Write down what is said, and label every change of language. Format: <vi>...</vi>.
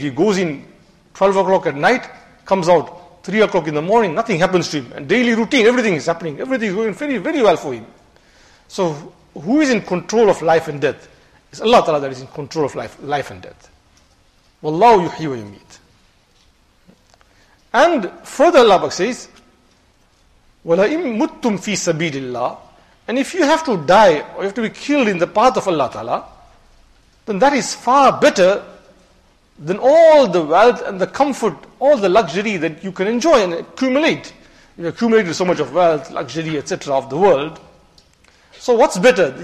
<en>He goes in 12 o'clock at night, comes out 3 o'clock in the morning, nothing happens to him. And daily routine, everything is happening. Everything is going very, very well for him. So who is in control of life and death? It's Allah Ta'ala that is in control of life and death.</en> <ar>Wallahu yuhyi wa yumeet.</ar> <en>And further Allah says,</en> <ar>وَلَئِمْ مُتْتُمْ فِي سَبِيلِ اللَّهِ.</ar> <en>And if you have to die or you have to be killed in the path of Allah Ta'ala, then that is far better than all the wealth and the comfort, all the luxury that you can enjoy and accumulate. You've accumulated so much of wealth, luxury, etc. of the world. So what's better?</en>